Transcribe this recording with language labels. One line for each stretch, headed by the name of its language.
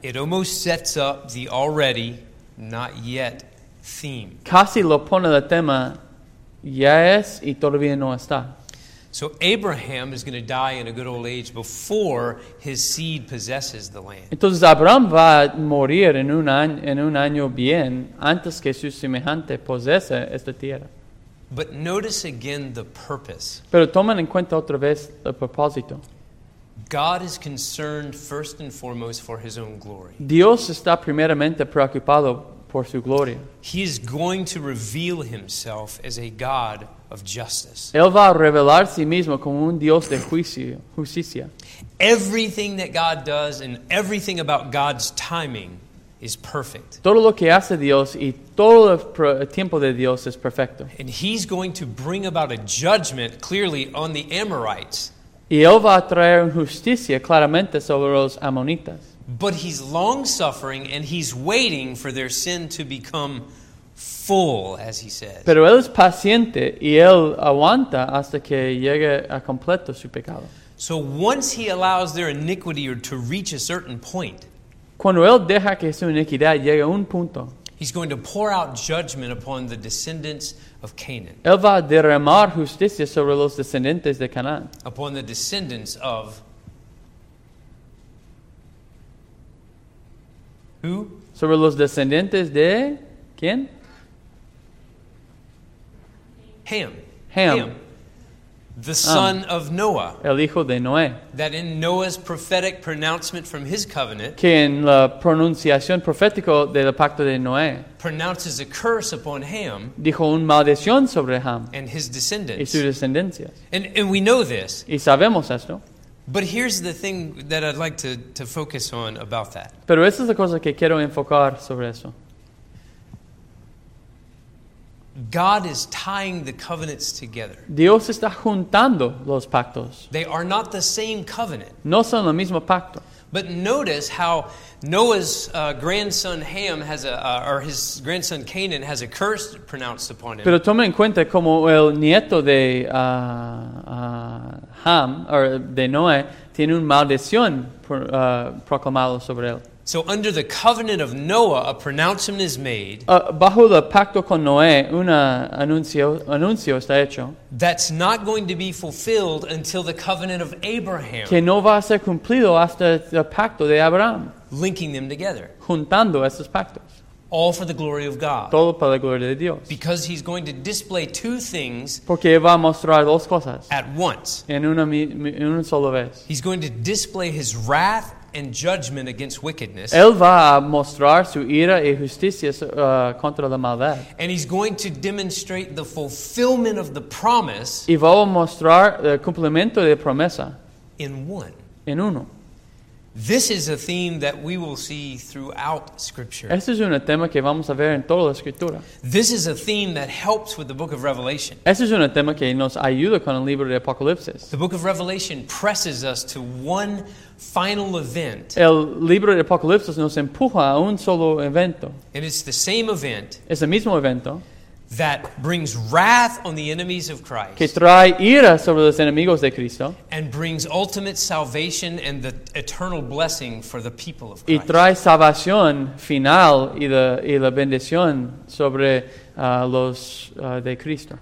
English: It almost sets up the already, not yet theme.
Spanish: Casi lo pone el tema, ya es y todavía no está.
English: So Abraham is going to die in a good old age before his seed possesses the land.
Spanish: Entonces Abraham va a morir en un año bien antes que su semejante posese esta tierra.
English: But notice again the purpose.
Spanish: Pero tomen en cuenta otra vez el propósito.
English: God is concerned first and foremost for his own glory.
Spanish: Dios está primeramente preocupado por su gloria.
English: He is going to reveal himself as a God of justice.
Spanish: Él va a revelar sí mismo como un Dios de justicia.
English: Everything that God does and everything about God's timing is perfect.
Spanish: Todo lo que hace Dios y todo el tiempo de Dios es perfecto.
English: And he's going to bring about a judgment clearly on the Amorites.
Spanish: Y él va a traer justicia claramente sobre los amonitas.
English: But he's long-suffering and he's waiting for their sin to become full, as he says.
Spanish: Pero él es paciente y él aguanta hasta que llegue a completo su pecado.
English: So once he allows their iniquity to reach a certain point,
Spanish: cuando él deja que su iniquidad llegue a un punto,
English: he's going to pour out judgment upon the descendants of Canaan.
Spanish: Él va a derramar justicia sobre los descendientes de Canaán.
English: Upon the descendants of who?
Spanish: Sobre los descendientes de quién?
English: Ham. The son of Noah.
Spanish: El hijo de Noé.
English: That in Noah's prophetic pronouncement from his covenant.
Spanish: Que en la pronunciación profética del pacto de Noé.
English: Pronounces a curse upon Ham.
Spanish: Dijo una maldición sobre Ham.
English: And his descendants.
Spanish: Y su descendencia.
English: And we know this.
Spanish: Y sabemos esto.
English: But here's the thing that I'd like to focus on about that.
Spanish: Pero esa es la cosa que quiero enfocar sobre eso.
English: God is tying the covenants together.
Spanish: Dios está juntando los pactos.
English: They are not the same covenant.
Spanish: No son el mismo pacto.
English: But notice how Noah's grandson Ham has or his grandson Canaan has a curse pronounced upon him.
Spanish: Pero tomen en cuenta como el nieto de Ham, or de Noé, tiene una maldición proclamada sobre él.
English: So under the covenant of Noah, a pronouncement is made.
Spanish: Bajo el pacto con Noé, un anuncio está hecho.
English: That's not going to be fulfilled until the covenant of Abraham.
Spanish: Que no va a ser cumplido hasta el pacto de Abraham.
English: Linking them together.
Spanish: Juntando esos pactos.
English: All for the glory of God.
Spanish: Todo para la gloria de Dios.
English: Because he's going to display two things.
Spanish: Porque va a mostrar dos cosas.
English: At once.
Spanish: En una sola vez.
English: He's going to display his wrath and judgment against wickedness.
Spanish: Él va a mostrar su ira y justicia contra la maldad.
English: And he's going to demonstrate the fulfillment of the promise.
Spanish: Y va a mostrar el cumplimiento de promesa.
English: In one.
Spanish: En uno.
English: This is a theme that we will see throughout Scripture.
Spanish: Este es un tema que vamos a ver en toda la Escritura.
English: This is a theme that helps with the book of Revelation.
Spanish: Este es un tema que nos ayuda con el libro de Apocalipsis.
English: The book of Revelation presses us to one final event.
Spanish: El libro de Apocalipsis nos empuja a un solo evento.
English: And it's the same event.
Spanish: Es el mismo evento.
English: That brings wrath on the enemies of Christ.
Spanish: Que trae ira sobre los enemigos de Cristo.
English: And brings ultimate salvation and the eternal blessing for the people of Christ.
Spanish: Y trae salvación final y la bendición sobre los de Cristo.